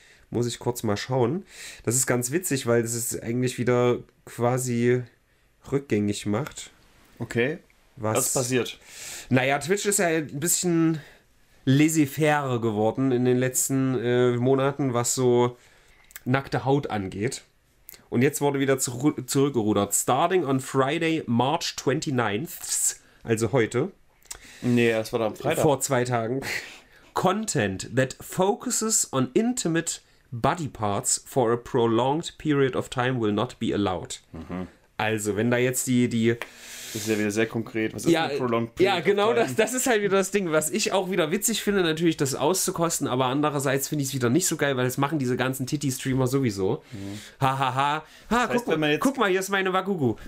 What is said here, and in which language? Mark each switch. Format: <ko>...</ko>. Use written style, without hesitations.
<de>Muss ich kurz mal schauen. Das ist ganz witzig, weil es eigentlich wieder quasi rückgängig macht. Okay, was passiert? Naja, Twitch ist ja ein bisschen laissez-faire geworden in den letzten Monaten, was so nackte Haut angeht. Und jetzt wurde wieder zurückgerudert.</de> <en>Starting on Friday, March 29th,</en> <de>also heute. Nee, das war dann Freitag. Vor 2 Tagen.</de> <en>Content that focuses on intimate Body parts for a prolonged period of time will not be allowed. Mhm.</en> <de>Also, wenn da jetzt die... Das ist ja wieder sehr konkret. Was ist ein prolonged period? Ja, genau, das ist halt wieder das Ding, was ich auch wieder witzig finde, natürlich das auszukosten, aber andererseits finde ich es wieder nicht so geil, weil das machen diese ganzen Titty-Streamer sowieso. Hahaha. Mhm. Ha, ha. Guck mal, hier ist meine Wagugu.</de>